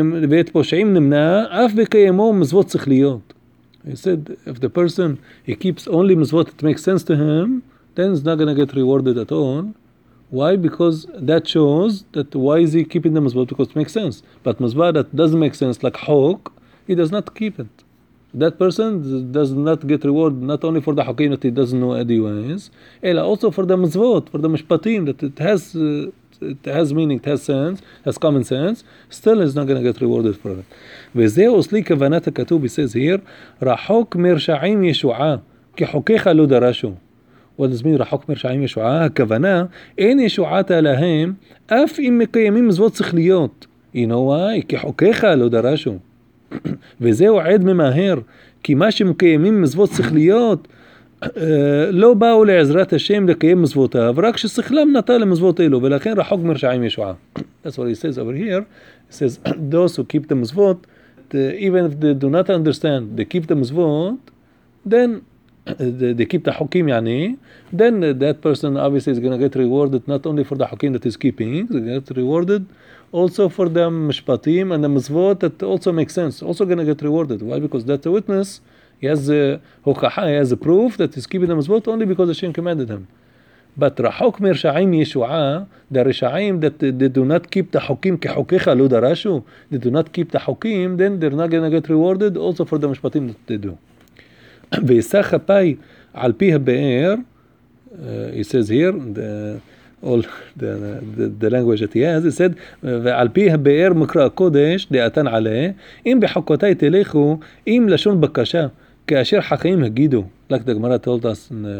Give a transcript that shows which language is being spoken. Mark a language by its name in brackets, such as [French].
[Hebrew] ואת פושעים נמנע אף בקיימו מצוות שכליות. [English] He said, if the person, he keeps only מצוות that makes sense to him, then he's not going to get rewarded at all. Why? Because that shows that why is he keeping the מצוות? Because it makes sense. But מצוות that doesn't make sense, like חוק, he does not keep it. That person does not get reward not only for the חוקים that he doesn't know anyways, אלא also for the מצוות, for the משפטים, that it has meaning, it has sense, has common sense, still is not going to get rewarded for it. [Hebrew] וזהו סלי כוונת הכתוב, [English] he says here, [Hebrew] רחוק מרשעים ישועה, כי חוקיך לא דרשו. [English] What does mean רחוק מרשעים ישועה? [Hebrew] הכוונה, אין ישועתה להם, אף אם מקיימים מצוות שכליות. [English] You know why? [Hebrew] כי חוקיך לא דרשו. וזהו עד ממהר, כי מה שמקיימים מצוות שכליות, לא באו לעזרת השם לקיים מצוותיו, רק ששכלם נטה למצוות אלו, ולכן רחוק מרשעים ישועה. [English] That's what he says over here. He says, those who keep the מצוות, even if they do not understand, they keep the מצוות, then they keep the חוקים, يعني, then that person obviously is going to get rewarded not only for the חוקים that he's keeping, they get rewarded also for the משפטים and the מצוות that also makes sense, also going to get rewarded. Why? Because that's a witness. He has a proof that he's keeping the mitzvot only because Hashem commanded him. But רחוק מרשעים ישועה, the רשעים that they do not keep the חוקים [Hebrew] כחוקיך לא דרשו, [English] they do not keep the חוקים, then they're not going to get rewarded also for the משפטים that they do. [Hebrew] וישח הפאי על פי הבאר, [English] he says here, the language that he has, he said, [Hebrew] ועל פי הבאר מקרא הקודש, דעתן עלה, אם בחוקותיי תלכו, אם לשון בקשה, כאשר חכמים הגידו, [English] like the Gemara told us, we